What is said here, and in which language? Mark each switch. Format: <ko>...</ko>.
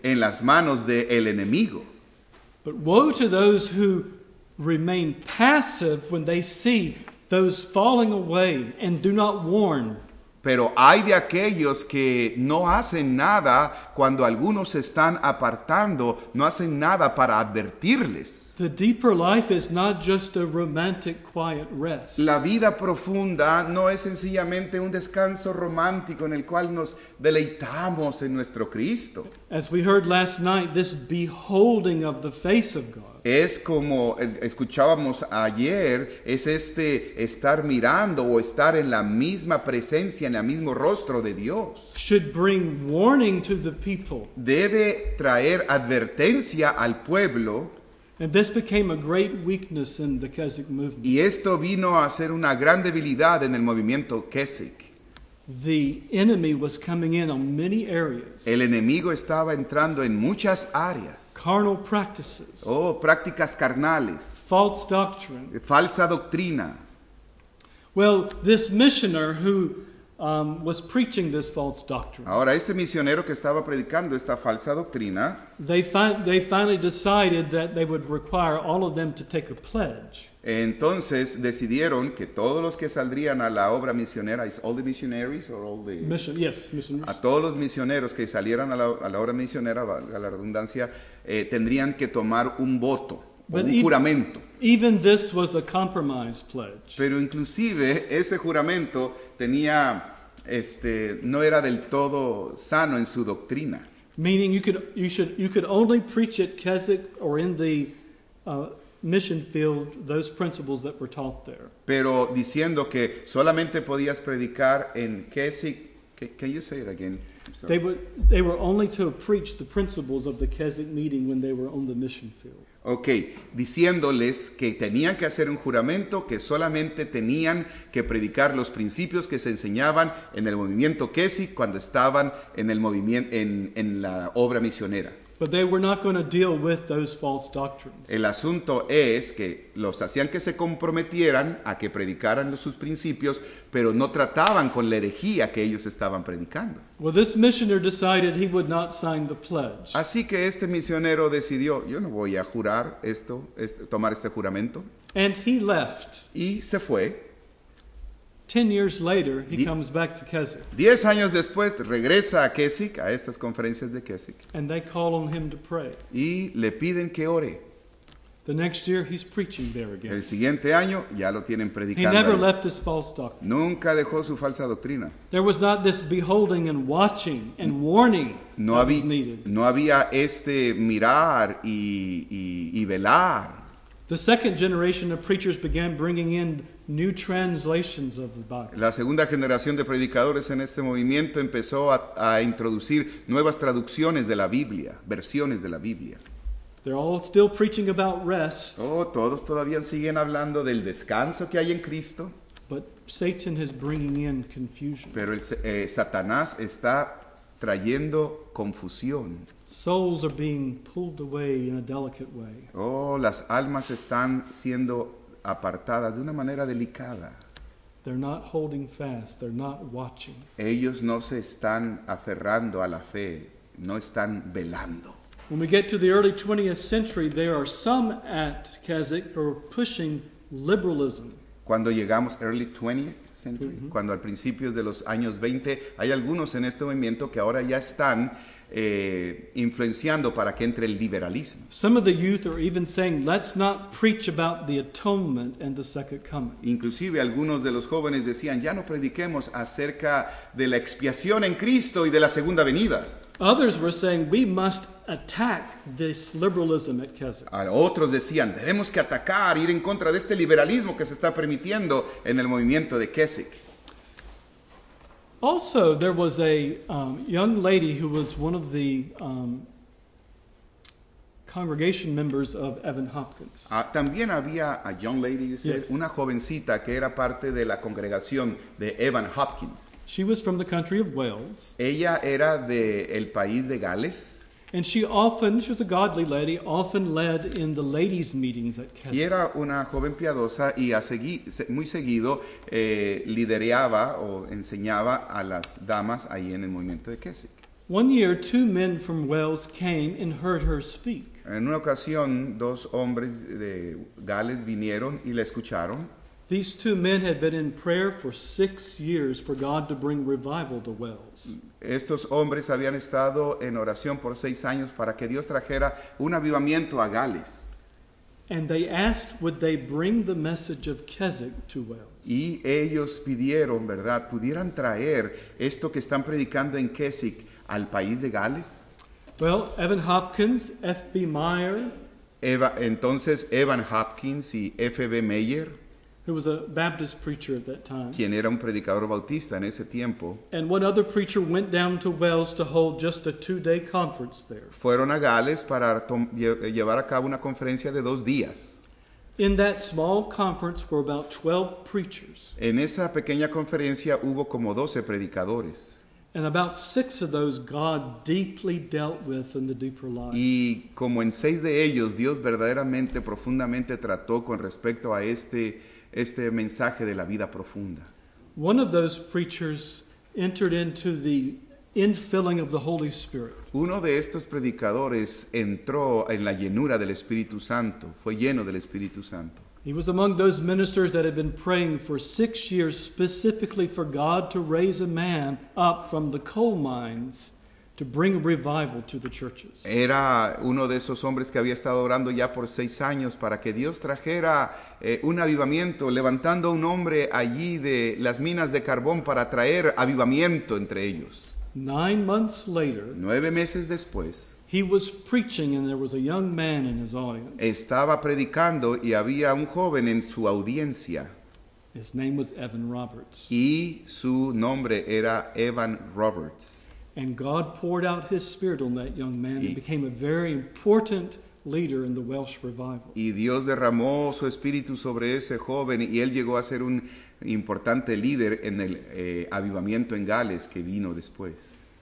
<es>En las manos de el enemigo.</es> <en>But woe to those who remain passive when they see those falling away and do not warn.</en> <es>Pero hay de aquellos que no hacen nada cuando algunos se están apartando, no hacen nada para advertirles.</es> <en>The deeper life is not just a romantic quiet rest.</en> <es>La vida profunda no es sencillamente un descanso romántico en el cual nos deleitamos en nuestro Cristo.</es> <en>As we heard last night, this beholding of the face of God.</en> <es>Es como escuchábamos ayer, es este estar mirando o estar en la misma presencia, en el mismo rostro de Dios.</es> <en>Should bring warning to the people.</en> <es>Debe traer advertencia al pueblo.</es> <en>And this became a great weakness in the Keswick movement.</en> <es>Y esto vino a ser una gran debilidad en el movimiento Keswick.</es> <en>The enemy was coming in on many areas.</en> <es>El enemigo estaba entrando en muchas áreas.</es> <en>Carnal practices.</en> <es>Oh, prácticas carnales.</es> <en>False doctrine.</en> <es>Falsa doctrina.</es> <en>Well, this missioner who was preaching this false doctrine.</en> <es>Ahora este misionero que estaba predicando esta falsa doctrina.</es> <en>They finally decided that they would require all of them to take a pledge.</en> <es>Entonces decidieron que todos los que saldrían a la obra misionera,</es> <en>is all the missionaries or all the mission, yes, missionaries.</en> <es>A todos los misioneros que salieran a la obra misionera, valga la redundancia, tendrían que tomar un voto, un juramento.</es> <en>Even this was a compromise pledge.</en> <es>Pero inclusive ese juramento tenía, no era del todo sano en su doctrina.</es> <en>Meaning you could only preach at Keswick or in the mission field those principles that were taught there.</en> <es>Pero diciendo que solamente podías predicar en Keswick.</es> <en>Can you say it again? They were only to preach the principles of the Keswick meeting when they were on the mission field.</en> <es>Okay, diciéndoles que tenían que hacer un juramento, que solamente tenían que predicar los principios que se enseñaban en el movimiento Keswick cuando estaban en el movimiento en la obra misionera.</es> <en>But they were not going to deal with those false doctrines.</en> <es>El asunto es que los hacían que se comprometieran a que predicaran sus principios, pero no trataban con la herejía que ellos estaban predicando.</es> <en>Well, this missionary decided he would not sign the pledge.</en> <es>Así que este misionero decidió, yo no voy a jurar esto, tomar este juramento.</es> <en>And he left.</en> <es>Y se fue.</es> <en>10 years later, he comes back to Keswick.</en> <es>10 años después, regresa a Keswick, a estas conferencias de Keswick.</es> <en>And they call on him to pray.</en> <es>Y le piden que ore.</es> <en>The next year, he's preaching there again.</en> <es>El siguiente año, ya lo tienen predicando.</es> <en>He never left his false doctrine.</en> <es>Nunca dejó su falsa doctrina.</es> <en>There was not this beholding and watching and warning that was needed.</en> <es>No había mirar y velar.</es> <en>The second generation of preachers began bringing in new translations of the Bible.</en> <es>La segunda generación de predicadores en este movimiento empezó a introducir nuevas traducciones de la Biblia, versiones de la Biblia.</es> <en>They're all still preaching about rest.</en> <es>Oh, todos todavía siguen hablando del descanso que hay en Cristo.</es> <en>But Satan is bringing in confusion.</en> <es>Pero Satanás está trayendo confusión.</es> <en>Souls are being pulled away in a delicate way.</en> <es>Oh, las almas están siendo apartadas de una manera delicada.</es> <en>They're not holding fast, they're not watching.</en> <es>Ellos no se están aferrando a la fe, no están velando.</es> <en>When we get to the early 20th century, there are some at Keswick who are pushing liberalism.</en> <es>Cuando llegamos</es> <en>early 20th century,</en> <es>mm-hmm. Cuando al principio de los años 20, hay algunos en este movimiento que ahora ya están influenciando para que entre el liberalismo.</es> <en>Some of the youth are even saying, let's not preach about the atonement and the second coming.</en> <es>Inclusive algunos de los jóvenes decían, ya no prediquemos acerca de la expiación en Cristo y de la segunda venida.</es> <en>Others were saying, we must attack this liberalism at Keswick.</en> <es>Otros decían, debemos que atacar, ir en contra de este liberalismo que se está permitiendo en el movimiento de Keswick.</es> <en>Also, there was a young lady who was one of the congregation members of Evan Hopkins.</en> <es>También había</es> <en>a young lady, you said, yes.</en> <es>Una jovencita que era parte de la congregación de Evan Hopkins.</es> <en>She was from the country of Wales.</en> <es>Ella era de el país de Gales.</es> <en>And she was a godly lady, often led in the ladies' meetings at Keswick.</en> <es>Y era una joven piadosa y muy seguido lidereaba o enseñaba a las damas ahí en el movimiento de Keswick.</es> <en>One year, two men from Wales came and heard her speak.</en> <es>En una ocasión, dos hombres de Gales vinieron y la escucharon.</es> <en>These two men had been in prayer for 6 years for God to bring revival to Wales.</en> <es>Estos hombres habían estado en oración por 6 años para que Dios trajera un avivamiento a Gales.</es> <en>And they asked, would they bring the message of Keswick to Wales?</en> <es>Y ellos pidieron, ¿verdad?, pudieran traer esto que están predicando en Keswick al país de Gales.</es> <en>Well, Evan Hopkins, F.B. Meyer.</en> <es>Evan Hopkins y F.B. Meyer.</es> <en>Who was a Baptist preacher at that time.</en> <es>Quien era un predicador bautista en ese tiempo.</es> <en>And one other preacher went down to Wales to hold just a 2-day conference there.</en> <es>Fueron a Gales para llevar a cabo una conferencia de 2 días.</es> <en>In that small conference were about 12 preachers.</en> <es>En esa pequeña conferencia hubo como 12 predicadores.</es> <en>And about 6 of those God deeply dealt with in the deeper life.</en> <es>Y como en 6 de ellos Dios verdaderamente profundamente trató con respecto a este mensaje de la vida profunda.</es> <en>One of those preachers entered into the infilling of the Holy Spirit.</en> <es>Uno de estos predicadores entró en la llenura del Espíritu Santo, fue lleno del Espíritu Santo.</es> <en>He was among those ministers that had been praying for 6 years specifically for God to raise a man up from the coal mines to bring revival to the churches.</en> <es>Era uno de esos hombres que había estado orando ya por 6 años para que Dios trajera un avivamiento, levantando un hombre allí de las minas de carbón para traer avivamiento entre ellos.</es> <en>9 months later,</en> <es>9 meses después,</es> <en>he was preaching and there was a young man in his audience.</en> <es>Estaba predicando y había un joven en su audiencia.</es> <en>His name was Evan Roberts.</en> <es>Y su nombre era Evan Roberts.</es> <en>And God poured out his spirit on that young man and became a very important leader in the Welsh revival.</en> <es>Y Dios derramó su espíritu sobre ese joven y él llegó a ser un importante líder en el avivamiento en Gales que vino después.</es>